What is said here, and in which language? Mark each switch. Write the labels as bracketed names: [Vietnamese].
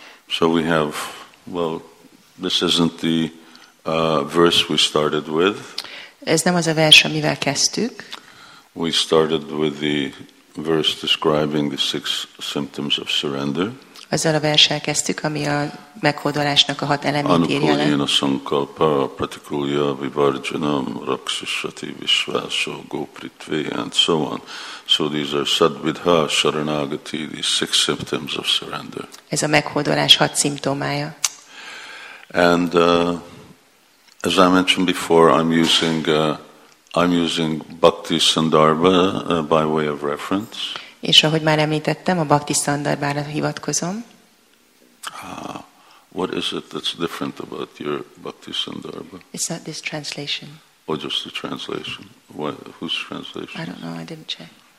[English] So we have, well, this isn't the verse we started with. [Hungarian] Ez nem az a vers, amivel kezdtük. [English] We started with the verse describing the six symptoms of surrender. [Hungarian] Azzal a verssel kezdtük, ami a meghódolásnak a hat elemét írja le. [Sanskrit] Anukulyena sankalpa pratikulya vivarjanam rakshasati visvaso gopritve [English] and so on. So these are sadvidha saranagati, these six symptoms of surrender. [Hungarian] Ez a meghódolás hat szimptomája. [English] And as I mentioned before, I'm using Bhakti Sandarbha by way of reference. [Hungarian] És ahogy már említettem, a Bhakti Sandarbhára hivatkozom. [English] What is it that's different about your Bhakti Sandarbha? It's not this translation. Or just the translation? Whose translation? I don't know, I didn't check.